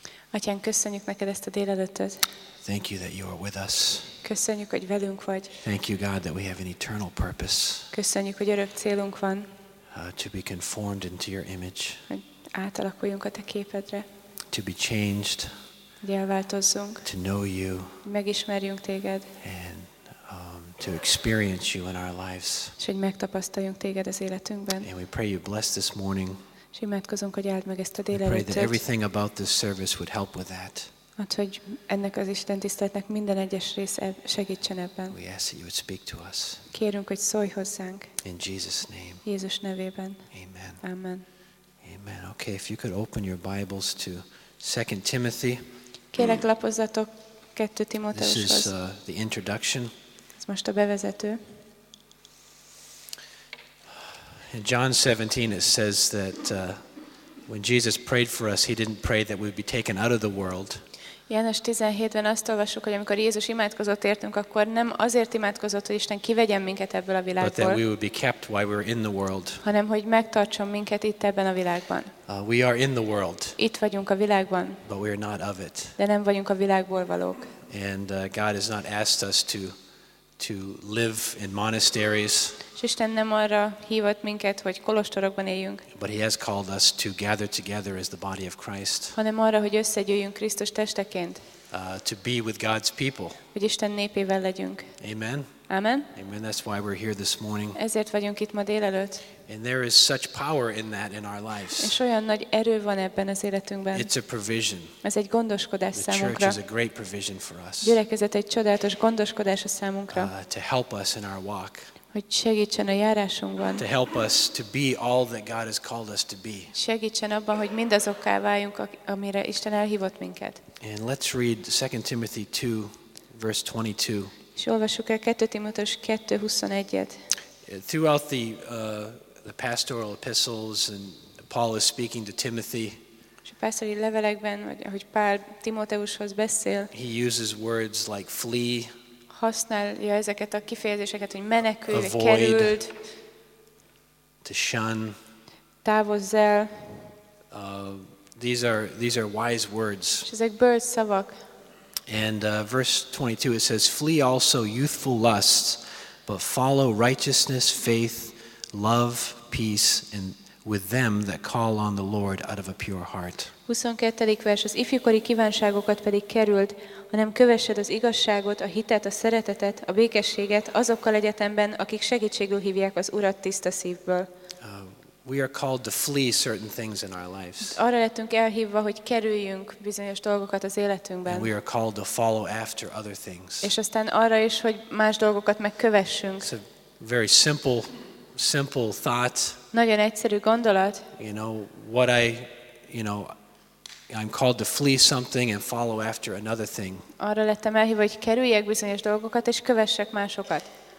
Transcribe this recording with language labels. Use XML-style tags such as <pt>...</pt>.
<hu>Atyám, köszönjük neked ezt a délelőttöt.</hu> <en>Thank you that you are with us.</en> <hu>Köszönjük, hogy velünk vagy.</hu> <en>Thank you, God, that we have an eternal purpose.</en> <hu>Köszönjük, hogy örök célunk van.</hu> <en>To be conformed into your image.</en> <hu>Hogy átalakuljunk a te képedre.</hu> <en>To be changed.</en> <hu>Hogy elváltozzunk.</hu> <en>To know you.</en> <hu>Megismerjünk téged.</hu> <en>And to experience you in our lives.</en> <hu>És hogy megtapasztaljunk téged az életünkben.</hu> <en>And we pray you bless this morning.</en> <hu>És imádkozunk, hogy áld meg ezt a délelőttet.</hu> <en>We pray that everything about this service would help with that.</en> <hu>Hát, hogy ennek az Isten tiszteletnek minden egyes része segítsen ebben.</hu> <en>We ask that you would speak to us.</en> <hu>Kérünk, hogy szólj hozzánk.</hu> <en>In Jesus' name.</en> <hu>Jézus nevében.</hu> <en>Amen.</en> <hu>Amen. Amen.</hu> <en>Okay, if you could open your Bibles to 2 Timothy.</en> <hu>Kérlek, lapozzatok 2 Timóteushoz.</hu> <en>This is the introduction.</en> <hu>Ez most a bevezető.</hu> <en>In John 17 it says that when Jesus prayed for us, he didn't pray that we'd be taken out of the world.</en> <hu>János 17-ben azt olvassuk, hogy amikor Jézus imádkozott értünk, akkor nem azért imádkozott, hogy Isten kivegyen minket ebből a világból.</hu> <en>But that we would be kept while we're in the world.</en> <hu>Hanem hogy megtartson minket itt ebben a világban.</hu> <en>We are in the world.</en> <hu>Itt vagyunk a világban.</hu> <en>But we are not of it.</en> <hu>De nem vagyunk a világból valók.</hu> <en>And God has not asked us to live in monasteries.</en> <hu>És Isten nem arra hívott minket, hogy kolostorokban éljünk.</hu> <en>But he has called us to gather together as the body of Christ.</en> <hu>Hanem arra, hogy összegyűjjünk Krisztus testeként.</hu> <en>To be with God's people.</en> <hu>Hogy Isten népével legyünk.</hu> <en>Amen.</en> <hu>Amen.</hu> <en>Amen. That's why we're here this morning.</en> <hu>Ezért vagyunk itt ma délelőtt.</hu> <en>And there is such power in that in our lives.</en> <hu>És olyan nagy erő van ebben az életünkben.</hu> <en>It's a provision.</en> <hu>Ez egy gondoskodás számunkra.</hu> <en>The church is a great provision for us.</en> <hu>Gyülekezet egy csodálatos gondoskodás a számunkra.</hu> <en>To help us in our walk.</en> <hu>Hogy segítsen a járásunkban.</hu> <en>To help us to be all that God has called us to be.</en> <hu>Segítsen abban, hogy mindazokká váljunk, amire Isten elhívott minket.</hu> <en>And let's read 2 Timothy 2, verse 22.</en> <hu>És olvassuk el 2 Timóteus 2:21-et.</hu> <en>Throughout the pastoral epistles, and Paul is speaking to Timothy.</en> <hu>És a pásztori levelekben, vagy ahogy Pál Timóteushoz beszél.</hu> <en>He uses words like flee.</en> <hu>Használja ezeket a kifejezéseket, hogy menekülj, kerüld,</hu> <en>to shun,</en> <hu>távozz el.</hu> <en>These are wise words.</en> <hu>Ezek bölcs szavak.</hu> <en>And verse 22 it says, flee also youthful lusts, but follow righteousness, faith, love, peace, and with them that call on the Lord out of a pure heart.</en> <hu>22. vers, az ifjúkori kívánságokat pedig kerüld, hanem kövessed az igazságot, a hitet, a szeretetet, a békességet azokkal egyetemben, akik segítségül hívják az Urat tiszta szívből.</hu> <en>We are called to flee certain things in our lives.</en> <hu>Arra lettünk elhívva, hogy kerüljünk bizonyos dolgokat az életünkben.</hu> <en>And we are called to follow after other things.</en> <hu>És aztán arra is, hogy más dolgokat megkövessünk.</hu> <en>It's a very simple thought.</en> <hu>Nagyon egyszerű gondolat.</hu> <en>You know, what I'm called to flee something and follow after another thing.</en> <hu>Arra lettem elhívva, hogy kerüljek bizonyos dolgokat és kövessek másokat.</hu>